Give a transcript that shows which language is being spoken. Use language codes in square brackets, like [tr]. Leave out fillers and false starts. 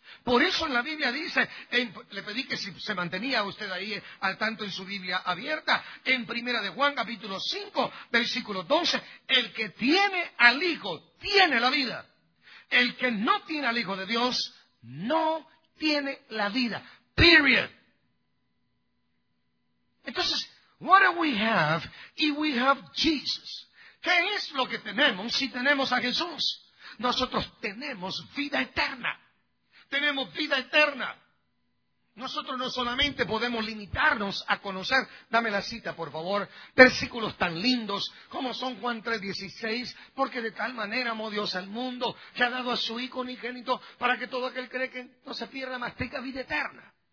[es] Por eso en la Biblia dice, le pedí que si se mantenía usted ahí al tanto en su Biblia abierta, en Primera de Juan capítulo 5, versículo 12, el que tiene al Hijo tiene la vida. El que no tiene al Hijo de Dios no tiene la vida. [en] Period. Entonces, what do we have if we have Jesus? [es] ¿Qué es lo que tenemos si tenemos a Jesús? Nosotros tenemos vida eterna. tenemos vida eterna. Nosotros no solamente podemos limitarnos a conocer, dame la cita por favor, versículos tan lindos como son Juan 3:16, porque de tal manera amó Dios al mundo que ha dado a su Hijo unigénito para que todo aquel cree que no se pierda más tenga vida eterna.